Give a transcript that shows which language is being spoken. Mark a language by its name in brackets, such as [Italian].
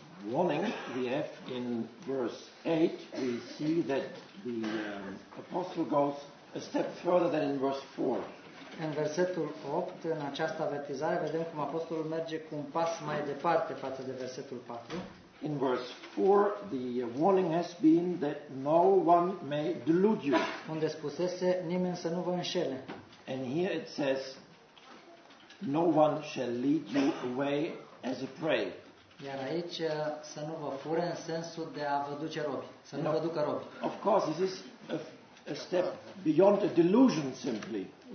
[English] warning we have in verse 8, we see that the apostle goes a step further than in verse 4. [Romanian] În versetul 8, în această avertizare, vedem cum apostolul merge cu un pas mai departe față de versetul 4. [English] In verse 4, the warning has been that no one may delude you. [Romanian] Unde spusese nimeni să nu vă înșele. [English] And here it says, no one shall lead you away as a prey. [Romanian] Iar aici să nu vă fure în sensul de a vă duce robi, să nu vă ducă robi. [English] Of course, this is a step beyond a delusion simply.